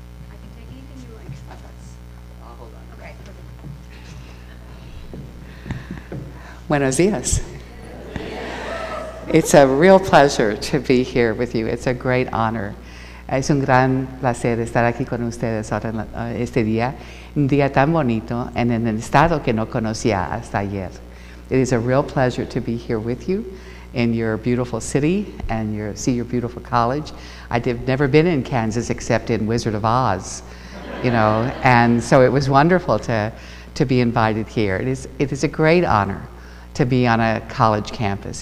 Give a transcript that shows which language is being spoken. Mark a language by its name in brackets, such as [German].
[English] I can take anything you like. I'll hold on. Okay. [Spanish] Buenos dias. [English] It's a real pleasure to be here with you. It's a great honor. [Spanish] Es un gran placer estar aquí con ustedes ahora en este día, un día tan bonito and en el estado que no conocía hasta ayer. [English] It is a real pleasure to be here with you in your beautiful city and your see your beautiful college. I've never been in Kansas except in Wizard of Oz, you know, and so it was wonderful to be invited here. It is a great honor to be on a college campus.